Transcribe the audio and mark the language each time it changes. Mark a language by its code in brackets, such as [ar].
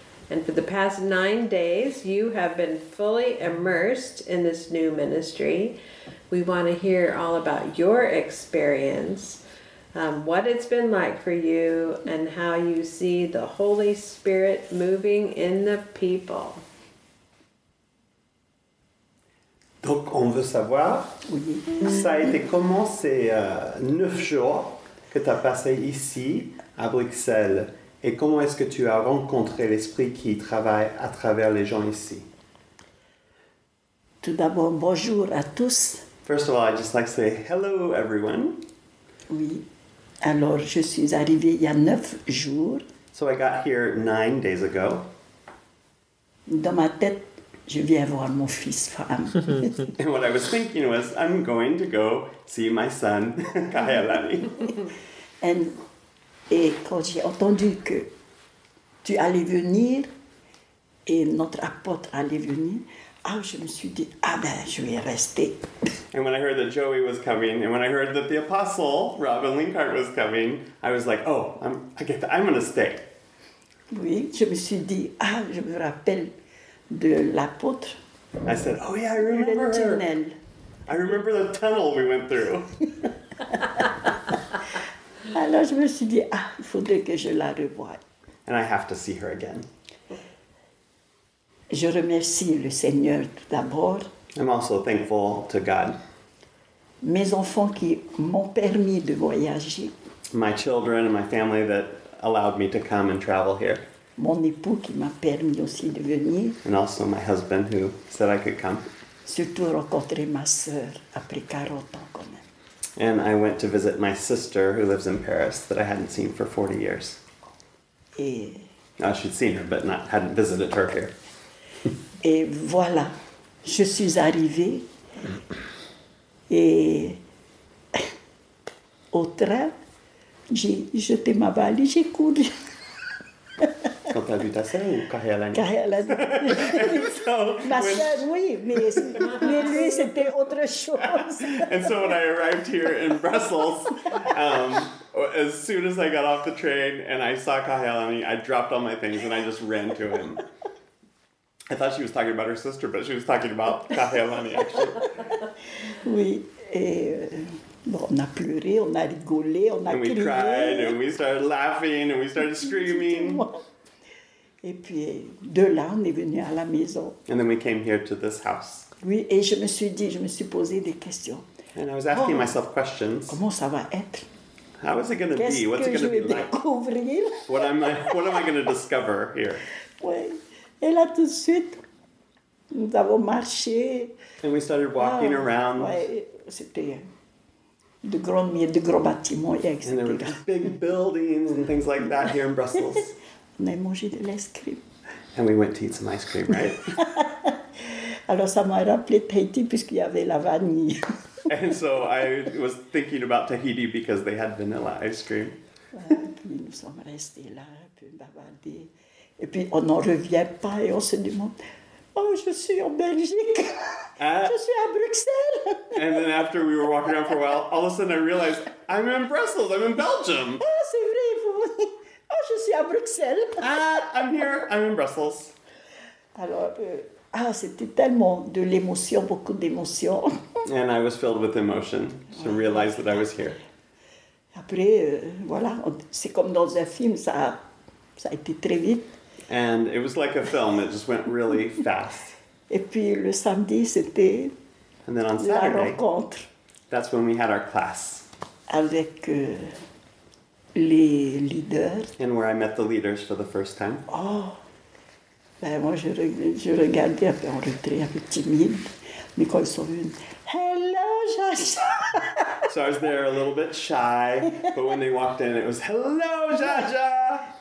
[en] And for the past 9 days, you have been fully immersed in this new ministry. We want to hear all about your experience, what it's been like for you, and how you see the Holy Spirit moving in the people. [fr] Donc, on veut savoir, ça a été comment ces 9 jours que tu as passé ici, à Bruxelles, et comment est-ce que tu as rencontré l'Esprit qui travaille à travers les gens ici? Tout d'abord, bonjour à tous. [en] First of all, I'd just like to say hello, everyone. [fr] Oui. Alors, je suis arrivée il y a 9 jours. [en] So I got here 9 days ago. [fr] Dans ma tête, je viens voir mon fils, femme. [en] And what I was thinking was, I'm going to go see my son, Kahealani. [fr] Et quand j'ai entendu que tu allais venir, et notre apôtre allait venir, ah, je me suis dit, ah ben, je vais rester. [en] And when I heard that Joey was coming, and when I heard that the apostle, Robin Linkhart, was coming, I was like, oh, I'm going to stay. [fr] Oui, je me suis dit, ah, je me rappelle de l'apôtre. [en] I said, oh yeah, I remember [fr] le tunnel. [en] I remember the tunnel we went through. [fr] Alors, je me suis dit, ah, il faudrait que je la revoie. [en] And I have to see her again. [fr] Je remercie le Seigneur tout d'abord. [en] I'm also thankful to God. [fr] Mes enfants qui m'ont permis de voyager. [en] My children and my family that allowed me to come and travel here. [fr] Mon époux qui m'a permis aussi de venir. [en] And also my husband who said I could come. [fr] Surtout rencontrer ma sœur après 40 ans quand même. [en] And I went to visit my sister who lives in Paris that I hadn't seen for 40 years. [fr] Et... [en] Oh, she'd seen her, but not, hadn't visited her here. [fr] Et voilà, je suis arrivée. Et au train, j'ai jeté ma valise, j'ai couru. Quand t'as vu ta sœur ou Carrie-Alanis? Carrie-Alanis. Ma sœur, oui, mais lui, c'était autre chose. [en] And so when I arrived here in Brussels, as soon as I got off the train and I saw Carrie-Alanis, I dropped all my things and I just ran to him. I thought she was talking about her sister, but she was talking about Carrie-Alanis, actually. [fr] Oui, bon, on a pleuré, on a rigolé, on a crié. [en] And we cried, and we started laughing, and we started screaming. [fr] Et puis, de là, on est venu à la maison. [en] And then we came here to this house. [fr] Oui, et je me suis posé des questions. [en] And I was asking myself questions. [fr] Comment ça va être? [en] How is it going to be? What's it going to be like? [fr] Qu'est-ce que je vais découvrir? [en] What am I going to discover here? [fr] Oui. Et là, tout de suite, nous avons marché. [en] And we started walking around. [fr] Oui, c'était... De grands bâtiments, etc. [en] And there were big buildings and things like that here in Brussels. [fr] On a mangé de l'ice cream. [en] And we went to eat some ice cream, right? [fr] Alors ça m'a rappelé Tahiti puisqu'il y avait la vanille. [en] And so I was thinking about Tahiti because they had vanilla ice cream. [fr] Puis nous sommes restés là, un peu bavardés. Et puis on n'en revient pas et on se demande... Oh, je suis en Belgique. Je suis à Bruxelles. [en] And then after we were walking around for a while, all of a sudden I realized, I'm in Brussels, I'm in Belgium. [fr] Ah, c'est vrai, vous. Oh, je suis à Bruxelles. [en] Ah, I'm here, I'm in Brussels. [fr] Alors, c'était tellement de l'émotion, beaucoup d'émotion. [en] And I was filled with emotion to realize that I was here. [fr] Après, voilà, c'est comme dans un film, ça a été très vite. [en] And it was like a film. It just went really fast. [fr] Et puis le samedi, c'était [en] and then on Saturday, [fr] la rencontre. [en] That's when we had our class. [fr] Avec les leaders. [en] And where I met the leaders for the first time. [fr] Oh, ben moi je regardais un peu en retrait, un peu timide. Mais quand ils sont venus, hello, Jacha. [en] So I was there a little bit shy, but when they walked in, it was hello, Jacha.